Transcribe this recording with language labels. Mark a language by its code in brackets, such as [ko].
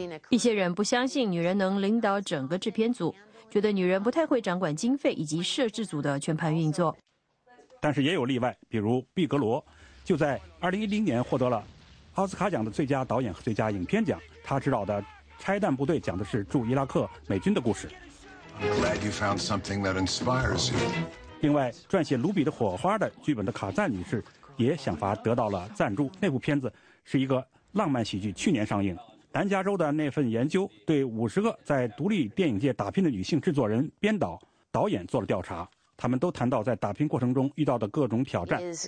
[zh] 一些人不相信女人能领导整个制片组，觉得女人不太会掌管经费以及摄制组的全盘运作。但是也有例外，比如毕格罗就在2010年获得了奥斯卡奖的最佳导演和最佳影片奖。他执导的拆弹部队讲的是驻伊拉克美军的故事。 [en] I'm glad you found something that inspires you. [zh] 另外，撰写《卢比的火花》的剧本的卡赞女士也想法得到了赞助。那部片子是一个浪漫喜剧，去年上映。南加州的那份研究对50个在独立电影界打拼的女性制作人、编导、导演做了调查，他们都谈到在打拼过程中遇到的各种挑战。